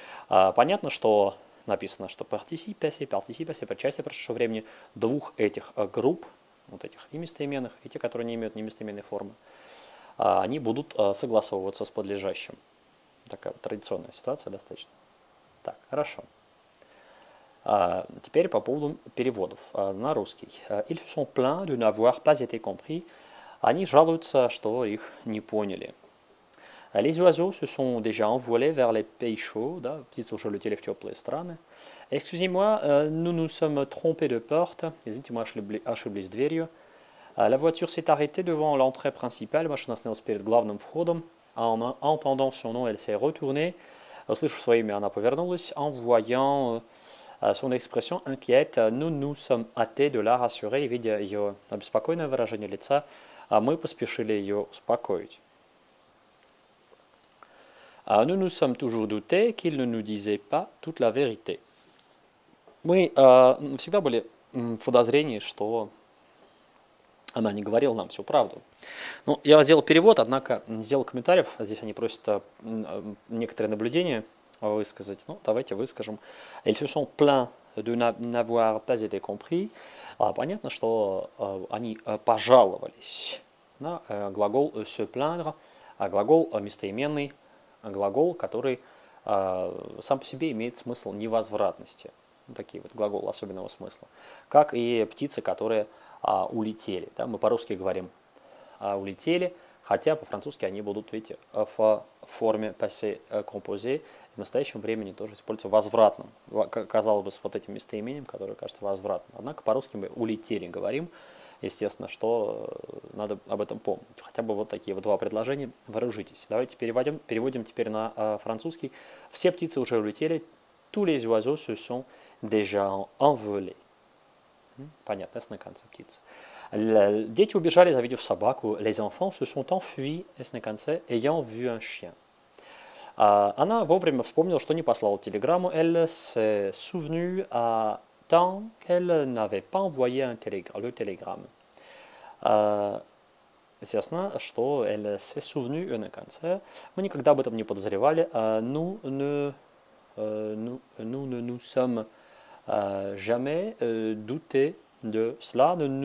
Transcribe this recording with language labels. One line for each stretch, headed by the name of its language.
Russian: А, понятно, что написано, что participe, причастие прошедшего времени двух этих групп, вот этих и местоименных, и те, которые не имеют ни местоименной формы, они будут согласовываться с подлежащим. Такая традиционная ситуация достаточно. Так, хорошо. Теперь по поводу переводов на русский.
French: Ils sont plaints de n'avoir pas été compris.
Russian: Они жалуются, что их не поняли.
French: Les oiseaux se sont déjà envolés vers les pays chauds.
Russian: Да, птицы уже летели в теплые страны.
French: Excusez-moi, nous nous sommes trompés de porte.
Russian: Извините, мы ошиблись дверью.
French: La voiture s'est arrêtée devant l'entrée principale.
Russian: Машина остановилась перед главным входом.
French: En entendant son nom, elle s'est retournée.
Russian: Услышав свое имя, она повернулась.
French: En voyant son expression inquiète, nous nous sommes hâtés de la rassurer.
Russian: Видя ее обеспокоенное выражение лица, мы поспешили ее успокоить.
French: Nous nous sommes toujours doutés qu'il ne nous disait pas toute la vérité.
Russian: Мы всегда были в подозрении, что она не говорила нам всю правду. Ну, я сделал перевод, однако сделал комментариев. Здесь они просят некоторые наблюдения высказать. Ну, давайте выскажем.
French: Ils se sont plaints de n'avoir pas été compris.
Russian: Понятно, что они пожаловались на глагол se plaindre, глагол местоименный, глагол, который сам по себе имеет смысл невозвратности. Такие вот глаголы особенного смысла. Как и птицы, которые улетели. Да? Мы по-русски говорим улетели, хотя по-французски они будут, видите, в форме passé composé. В настоящем времени тоже используется возвратным. Казалось бы, с вот этим местоимением, которое кажется возвратным. Однако по-русски мы улетели говорим, естественно, что надо об этом помнить. Хотя бы вот такие вот два предложения. Вооружитесь. Давайте переводим теперь на французский. Все птицы уже улетели.
French: Tous les oiseaux se sont déjà envolés.
Russian: Понятно, S на конце птицы. Дети убежали, завидев собаку.
French: Les enfants se sont enfuis,
Russian: S на конце,
French: ayant vu un chien.
Russian: Она вовремя вспомнила, что не послала телеграмму.
French: Elle s'est souvenue à temps qu'elle n'avait pas envoyé un télégramme.
Russian: Естественно, что
French: elle s'est souvenue,
Russian: S на конце. Мы никогда об этом не подозревали.
French: Nous ne nous sommes jamais doutés de cela.